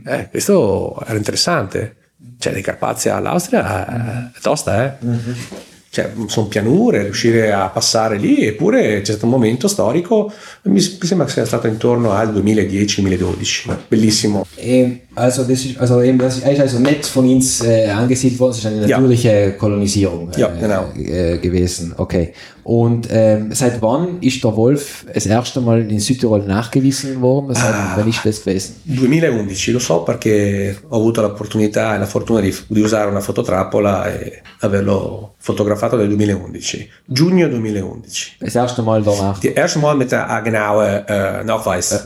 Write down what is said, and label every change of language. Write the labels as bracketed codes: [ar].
[it] Questo era interessante, cioè dai Carpazi all'Austria è tosta, cioè sono pianure, riuscire a passare lì, eppure c'è stato un momento storico, mi sembra che sia stato intorno al 2010-2012, bellissimo. [de] Also nicht von uns angesiedelt worden, es ist eine natürliche Kolonisierung gewesen. Okay. Und seit wann ist der Wolf das erste Mal in Südtirol nachgewiesen worden? Wann ist das gewesen? [it] 2011, lo so, perché ho avuto l'opportunità e la fortuna di usare una fototrappola e averlo fotografato nel 2011. Giugno 2011. [de] Das erste Mal danach. Das erste Mal mit einer genauen Nachweis.